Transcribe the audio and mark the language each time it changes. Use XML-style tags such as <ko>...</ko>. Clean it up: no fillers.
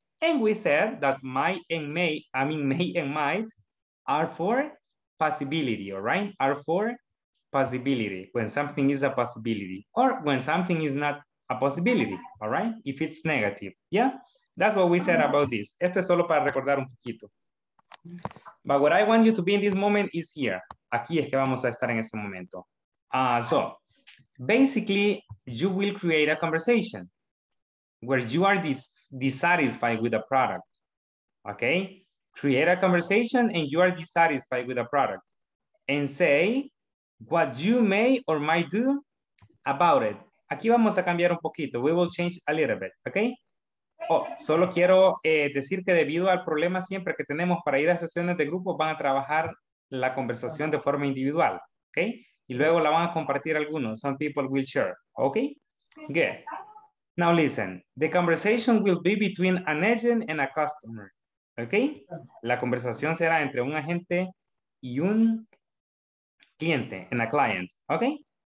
<en>And we said that might and may, I mean may and might are for possibility, all right? R for possibility, when something is a possibility or when something is not a possibility, all right? If it's negative, yeah? That's what we said about this.</en> <es>Esto es solo para recordar un poquito.</es> <en>But what I want you to be in this moment is here.</en> <es>Aquí es que vamos a estar en este momento.</es> <en>So basically you will create a conversation where you are dissatisfied with a product, okay? Create a conversation and you are dissatisfied with a product and say what you may or might do about it.</en> <es>Aquí vamos a cambiar un poquito.</es> <en>We will change a little bit, okay?</en> <es>Oh, solo quiero decir que debido al problema siempre que tenemos para ir a sesiones de grupo, van a trabajar la conversación de forma individual, okay? Y luego la van a compartir algunos.</es> <en>Some people will share, okay? Good. Now listen, the conversation will be between an agent and a customer.</en> <es>Ok, la conversación será entre un agente y un cliente,</es> <en>and a client,</en> <es>ok?</es>